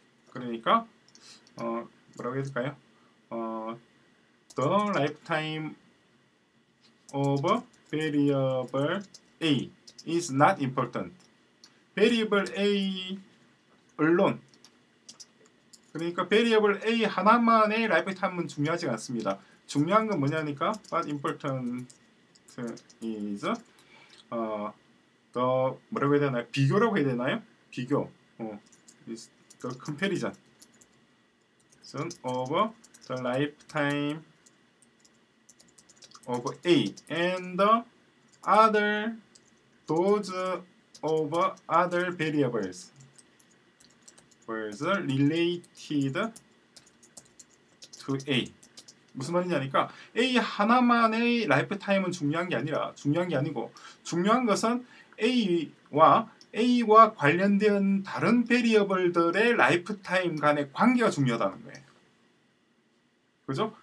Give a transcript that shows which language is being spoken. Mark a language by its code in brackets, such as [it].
[ko] 그러니까 뭐라고 해야 될까요? [en] The lifetime of variable A is not important. Variable A alone. [ko] 그러니까 Variable A 하나만의 라이프타임은 중요하지 않습니다. 중요한 건 뭐냐니까 [en] But important is [ko] 뭐라고 해야 되나요? 비교라고 해야 되나요? [en] 비교 is the comparison of the lifetime of A and the other those of other variables related to A. [ko] 무슨 말이냐니까 A 하나만의 라이프타임은 중요한 게 아니라 중요한 게 아니고 중요한 것은 A와 관련된 다른 베리어블들의 라이프타임 간의 관계가 중요하다는 거예요. 그죠?